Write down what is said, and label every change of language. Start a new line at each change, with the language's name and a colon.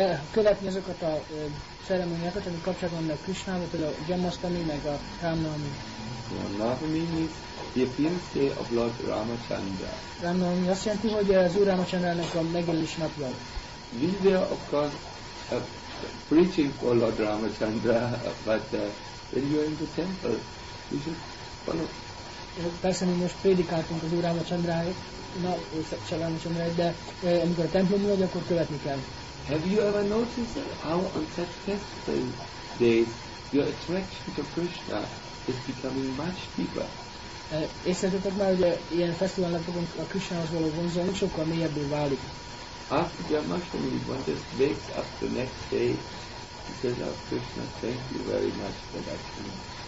Hungarian: követni azokat a szeremonyákat, amik kapcsolatban vannak Krisnával, például a Jamasztami, meg a Ramnami.
English: Ramnami is the appearance day of Lord Ramachandra.
Hungarian: Ramnami azt jelenti, hogy az Úr Ramachandrának a megjelenés napja.
English: This day of course a preaching for Lord Ramachandra, but when you are in the temple, you should follow.
Hungarian: Persze mi most prédikáltunk az Úr Ramachandráért, na, Ramachandráért, de amikor a templomban vagy, akkor követni kell.
English: Have you ever noticed how on such festival days your attraction to Krishna is becoming much deeper?
Hungarian: Észrevettétek már, hogy ilyen fesztivál napokon a Krishnához való vonzalom sokkal mélyebbé válik.
English: After Jamashtami, one just wakes up the next day, he says, oh Krishna, thank you very much for that thing.